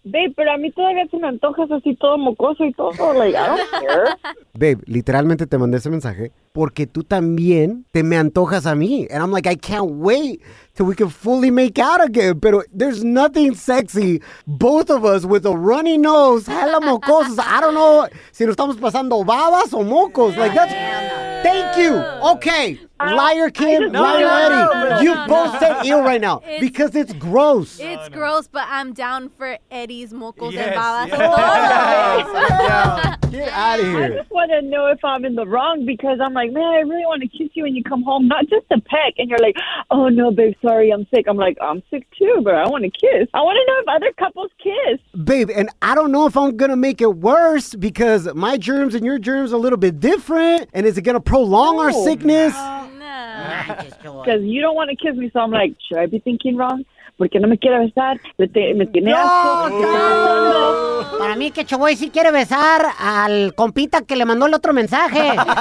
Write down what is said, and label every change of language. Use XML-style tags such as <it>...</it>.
<es>Babe, pero a mí todavía se me antojas así todo mocoso y todo.</es> <en>Like, I don't care.</en> <es>Babe, literalmente te mandé ese mensaje porque tú también te me antojas a mí.</es> <en>And I'm like, I can't wait till we can fully make out again. Pero there's nothing sexy. Both of us with a runny nose, hella mocosos. I don't know</en> <es>si nos estamos pasando babas o mocos.</es> <en>Like, that's... Thank you. Okay. Liar Kim, Liar Eddie. You both said ill right now because it's gross. It's gross, but I'm down for Eddie's mocos and babas. Yes. Get out of here. I just want to know if I'm in the wrong because I'm like, man, I really want to kiss you when you come home, not just a peck. And you're like, oh, no, babe, sorry, I'm sick. I'm like, I'm sick too, but I want to kiss. I want to know if other couples kiss. Babe, and I don't know if I'm going to make it worse because my germs and your germs are a little bit different. And is it going to prolong our sickness? No. Because you don't want to kiss me, so I'm like, should I be thinking wrong?</en> <es>Porque no me quiere besar, me tiene Para mí que Chavoy sí quiere besar al compita que le mandó el otro mensaje.</es>